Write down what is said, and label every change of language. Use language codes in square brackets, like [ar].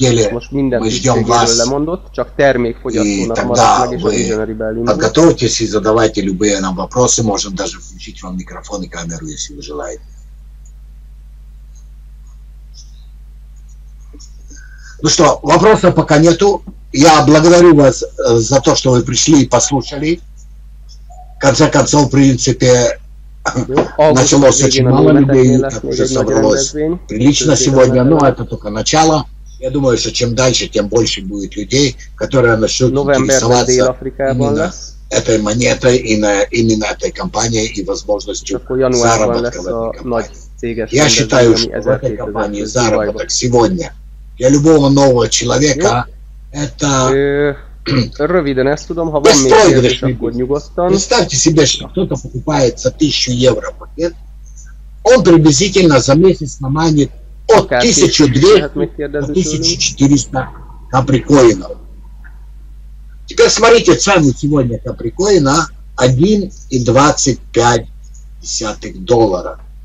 [hu] volt, minden cégéről lemondott, csak termékfogyasztónak maradt meg, és a Visionary Berlin. [ru] Подготовьтесь и задавайте любые нам вопросы, можем даже включить вам микрофон и камеру, если вы желаете. Ну что, вопросов пока нету. Я благодарю вас за то, что вы пришли и послушали. В конце концов, в принципе, началось очень мало людей, уже собралось прилично сегодня, но это только начало. Я думаю, что чем дальше, тем больше будет людей, которые начнут интересоваться именно этой монетой, именно этой компанией и возможностью заработка в этой компании. Я считаю, что в этой компании заработок сегодня для любого нового человека это... [hu] Röviden ezt tudom, ha van még kérdés, akkor nyugodtan. [ru] Представьте себе, что кто-то покупает за 1000 евро пакет, он приблизительно за месяц наманит от 1200 до 1400 каприкоинов. Теперь смотрите цену сегодня каприкоина 1,25 доллара.